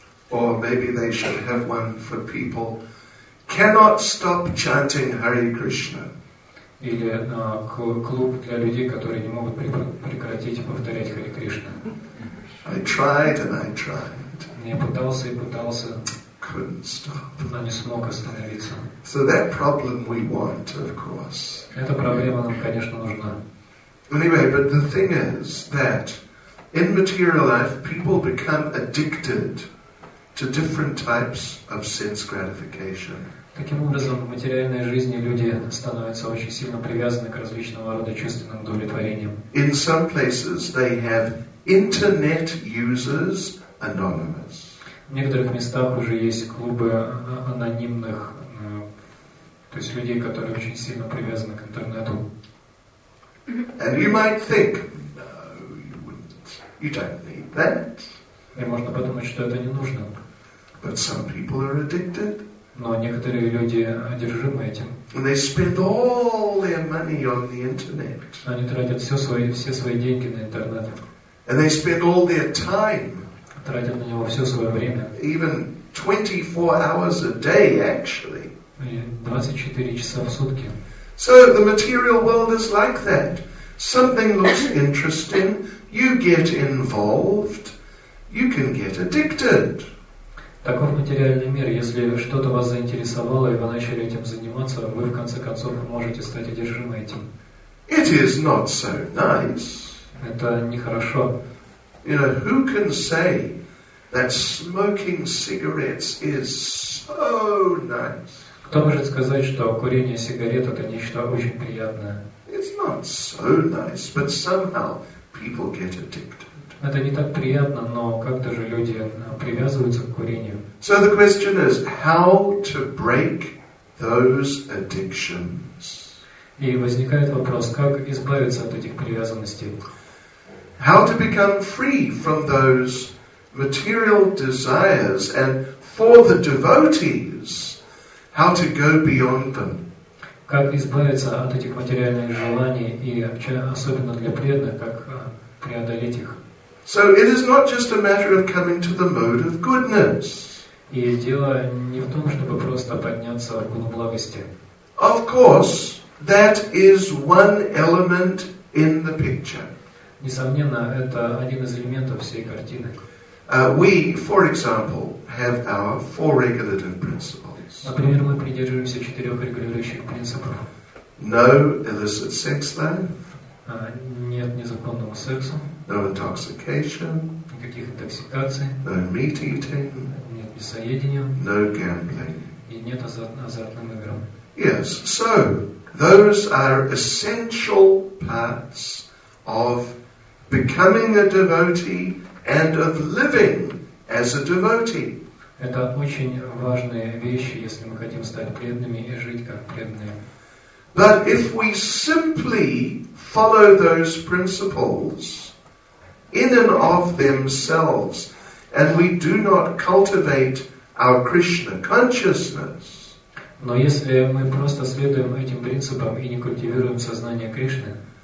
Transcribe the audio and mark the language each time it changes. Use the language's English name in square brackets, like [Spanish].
[English] Or maybe they should have one for people cannot stop chanting Hare Krishna. [Russian] Или клуб для людей, которые не могут прекратить повторять Хари Кришна. [English] I tried and I tried. [Russian] Я пытался и пытался. [English] Couldn't stop. [Russian] Но не смог остановиться. [English] So that problem we want, of course. [Russian] Эта проблема нам, конечно, нужна. [English] Anyway, but the thing is that in material life people become addicted to different types of sense gratification. [Russian] Таким образом, в материальной жизни люди становятся очень сильно привязаны к различного рода чувственным удовлетворениям. [English] In some places they have Internet Users Anonymous. [Russian] В некоторых местах уже есть клубы анонимных, то есть людей, которые очень сильно привязаны к интернету. [English] And you might think, no, you wouldn't. You don't need that. [Russian] И можно подумать, что это не нужно. [English] But some people are addicted. [Russian] Но некоторые люди одержимы этим. [English] And they spend all their money on the internet. [Russian] Они тратят все свои деньги на интернет. [English] And they spend all their time. [Russian] Тратят на него все свое время. [English] Even 24 hours a day, actually. [Russian] 24 часа в сутки. [English] So the material world is like that. Something looks interesting, you get involved, you can get addicted. [Russian] Таков материальный мир. Если что-то вас заинтересовало, и вы начали этим заниматься, вы, в конце концов, можете стать одержимы этим. [English] It is not so nice. [Russian] Это нехорошо. [English] You know, who can say that smoking cigarettes is so nice? [Russian] Кто может сказать, что курение сигарет – это нечто очень приятное? [English] It's not so nice, but somehow people get addicted. [Russian] Это не так приятно, но как-то же люди привязываются к курению. [English] So the question is, how to break those addictions? [Russian] И возникает вопрос, как избавиться от этих привязанностей? [English] How to become free from those material desires, and for the devotees, how to go beyond them? [Russian] Как избавиться от этих материальных желаний, и особенно для преданных, как преодолеть их? [English] So it is not just a matter of coming to the mode of goodness. [Russian] И дело не в том, чтобы просто подняться к уровню благости. [English] Of course, that is one element in the picture. [Russian] Несомненно, это один из элементов всей картины. [English] We, for example, have our four regulative principles. [Russian] Например, мы придерживаемся четырех регулирующих принципов. [English] No illicit sex then. [Russian] Нет незаконного секса. [English] No intoxication. [Russian] Никаких интоксикаций. [English] No meat eating. [Russian] Нет мясоедения. [English] No gambling. [Russian] И нет азартным играм. [English] Yes, so those are essential parts of becoming a devotee and of living as a devotee. [Russian] Это очень важные вещи, если мы хотим стать преданными и жить как преданные. [English] But if we simply follow those principles in and of themselves, and we do not cultivate our Krishna consciousness. [Russian] Но если мы просто следуем этим принципам и не культивируем сознание Кришны,